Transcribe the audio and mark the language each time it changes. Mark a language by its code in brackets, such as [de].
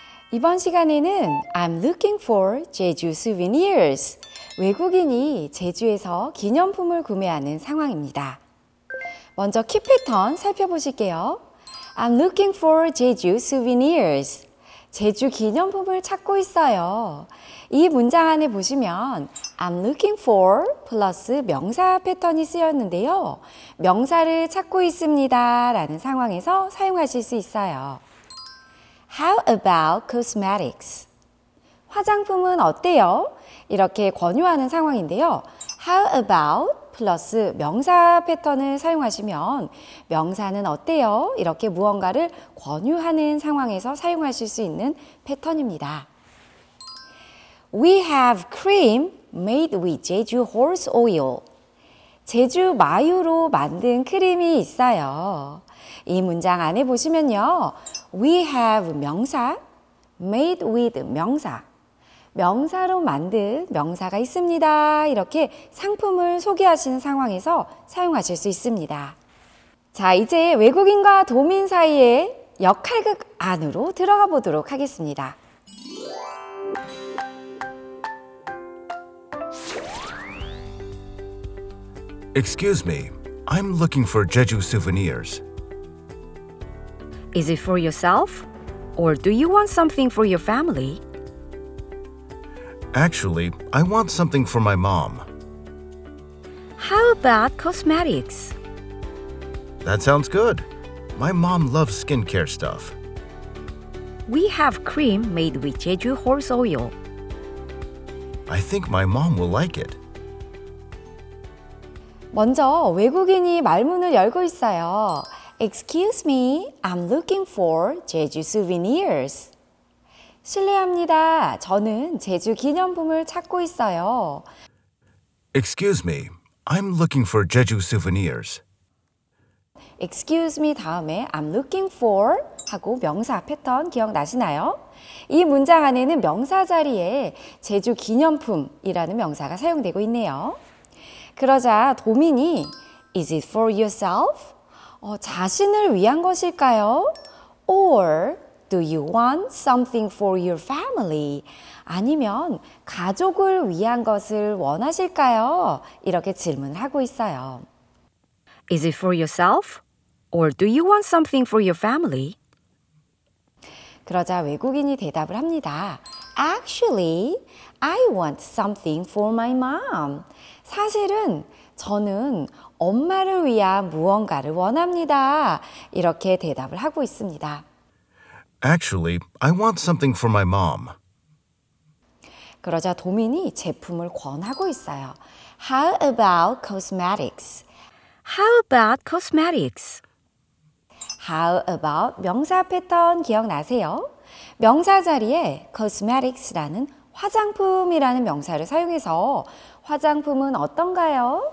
[ko] 이번 시간에는 [en] I'm looking for Jeju souvenirs. [ko] 외국인이 제주에서 기념품을 구매하는 상황입니다. 먼저 키 패턴 살펴보실게요. [en] I'm looking for Jeju souvenirs. [ko] 제주 기념품을 찾고 있어요. 이 문장 안에 보시면 [en] I'm looking for [ko] 플러스 명사 패턴이 쓰였는데요. 명사를 찾고 있습니다 라는 상황에서 사용하실 수 있어요. [en] How about cosmetics? [ko] 화장품은 어때요? 이렇게 권유하는 상황인데요. [en] How about [ko] 플러스 명사 패턴을 사용하시면 명사는 어때요? 이렇게 무언가를 권유하는 상황에서 사용하실 수 있는 패턴입니다. [en] We have cream made with Jeju horse oil. [ko] 제주 마유로 만든 크림이 있어요. 이 문장 안에 보시면요. [en] We have [ko] 명사, [en] made with [ko] 명사, 명사로 만든 명사가 있습니다. 이렇게 상품을 소개하시는 상황에서 사용하실 수 있습니다. 자, 이제 외국인과 도민 사이의 역할극 안으로 들어가 보도록 하겠습니다. [en] 'Excuse me, I'm looking for Jeju souvenirs. Is it for yourself, or do you want something for your family? Actually, I want something for my mom. How about cosmetics? That sounds good. My mom loves skincare stuff. We have cream made with Jeju horse oil. I think my mom will like it. [ko] 먼저 외국인이 말문을 열고 있어요. [en] Excuse me, I'm looking for Jeju souvenirs. [ko] 실례합니다. 저는 제주 기념품을 찾고 있어요. [en] Excuse me. I'm looking for Jeju souvenirs. Excuse me [ko] 다음에 [en] I'm looking for [ko] 하고 명사 패턴 기억나시나요? 이 문장 안에는 명사 자리에 제주 기념품이라는 명사가 사용되고 있네요. 그러자 도민이 [en] Is it for yourself? [ko] 자신을 위한 것일까요? [en] Or do you want something for your family? [ko] 아니면 가족을 위한 것을 원하실까요? 이렇게 질문을 하고 있어요. [en] Is it for yourself? Or do you want something for your family? [ko] 그러자 외국인이 대답을 합니다. [en] Actually, I want something for my mom. [ko] 사실은 저는 엄마를 위한 무언가를 원합니다. 이렇게 대답을 하고 있습니다. [en] Actually, I want something for my mom. [ko] 그러자 도민이 제품을 권하고 있어요. [en] How about cosmetics? How about cosmetics? How about [ko] 명사 패턴 기억나세요? 명사 자리에 cosmetics라는 화장품이라는 명사를 사용해서 화장품은 어떤가요?